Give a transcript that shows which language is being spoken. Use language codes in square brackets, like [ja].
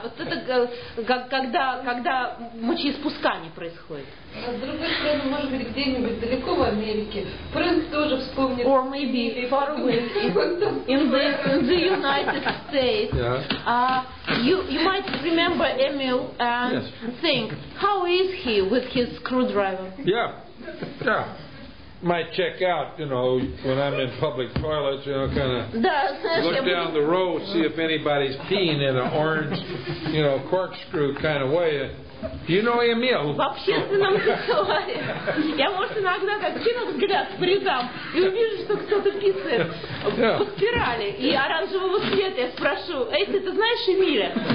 [ru] Вот это когда мочеиспускание происходит. А с другой стороны, может быть, где-нибудь далеко в Америке Фрэнк тоже вспомнит. [en] Or maybe far away in the United States. Yeah. You might remember Emil and think, how is he with his screwdriver? Yeah. Yeah. Might check out, you know, when I'm in public toilets, you know, kind of look down the row, see if anybody's peeing in an orange, you know, corkscrew kind of way. Do you know Emil? [ru] В общественном туалете. Я, может, иногда как кину взгляд по рядам и увижу, что кто-то писает по спирали и оранжевого цвета. Я спрошу, эй, ты знаешь Эмиля?